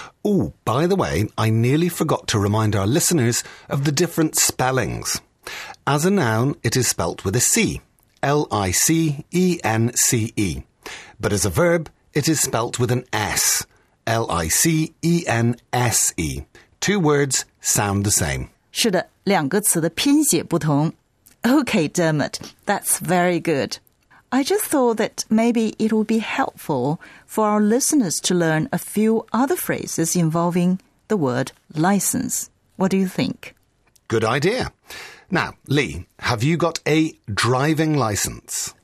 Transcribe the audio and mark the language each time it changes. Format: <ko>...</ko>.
<en>Oh, by the way, I nearly forgot to remind our listeners of the different spellings. As a noun, it is spelt with a C, L-I-C-E-N-C-E. But as a verb, it is spelt with an S, L-I-C-E-N-S-E. Two words sound the same.</en> <zh>是的，两个词的拼写不同。</zh> <en>Okay, Dermot, that's very good. I just thought that maybe it would be helpful for our listeners to learn a few other phrases involving the word license. What do you think? Good idea. Now, Lee, have you got a driving license?</en>